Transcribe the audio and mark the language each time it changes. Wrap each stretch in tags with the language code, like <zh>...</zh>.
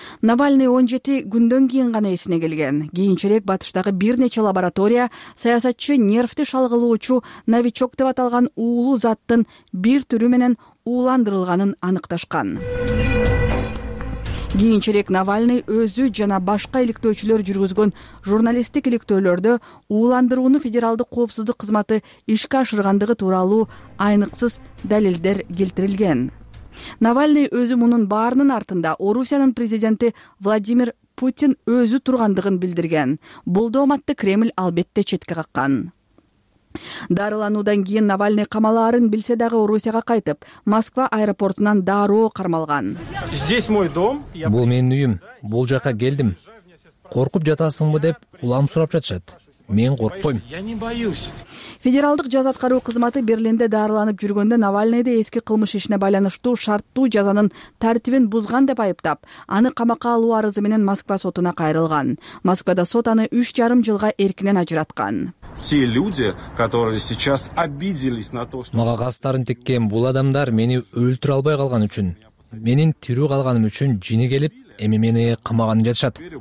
<ky>Навальный 17 күндөн кийин гана эсине келген. Кийинчерээк батыштагы бир нече лаборатория саясатчы нервти шалгылоочу новичок деп аталган уулуу заттын бир түрү менен ууландырылганын аныкташкан. Кийинчерээк Навальный өзү жана башка иликтөөчүлөр жүргүзгөн журналисттик иликтөөлөрдө ууландырууну федералдык коопсуздук кызматы ишке ашыргандыгы тууралуу айныксыз далилдер келтирилген. Навальный өзі мұнын барының артында Орусияның президенті Владимир Путин өзі тұрғандығын білдірген. Бұл доматты Кремль албетте четке қаққан. Дарылануудан кийин Навальный камалаарын билсе дагы Орусияга кайтып, Москва аэропортунан дароо кармалган.</ky> <ru>Здесь мой дом.</ru> <ky>Бул менин үйүм. Бул жака келдим. Коркуп жатасыңбы деп улам сурап жатышат. Мен коркпойм.</ky> <ru>Я не боюсь.</ru> <ky>Федералдык жаза аткаруу кызматы Берлинде дарыланып жүргөндө Навальныйды эски кылмыш ишине байланыштуу шарттуу жазанын тартибин бузган деп айыптап, аны камакка алуу арызы менен Москва сотуна кайрылган. Москвада сот аны 3,5 жылга эркинен ажыраткан.</ky> <ru>Те люди, которые сейчас обиделись на то, что</ru> <ky>мага кастарын тиккен бул адамдар мени өлтүрө албай калган үчүн, менин тирүү калганым үчүн жини келип, эми мени камаган жатышат.</ky>